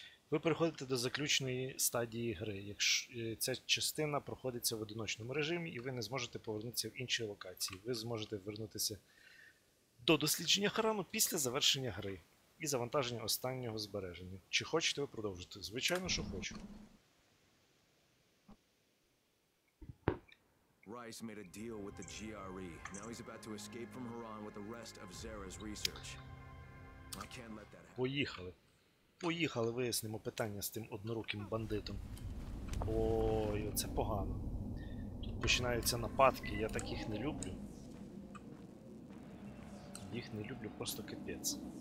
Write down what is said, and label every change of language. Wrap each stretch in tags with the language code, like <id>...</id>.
<uk>Ви переходите до заключної стадії гри. Ця частина проходиться в одиночному режимі, і ви не зможете повернутися в інші локації. Ви зможете вернутися до дослідження храну після завершення гри і завантаження останнього збереження. Чи хочете ви продовжити? Звичайно, що хочу.</uk> <en>Rice made a deal with the GRE. Now he's about to escape from Haran with the rest of Zara's research. I can't let that happen.</en> <uk>Поїхали. Поїхали, вияснимо питання з тим одноруким бандитом. Ой, оце погано. Тут починаються нападки, я так їх не люблю. Їх не люблю, просто капець.</uk>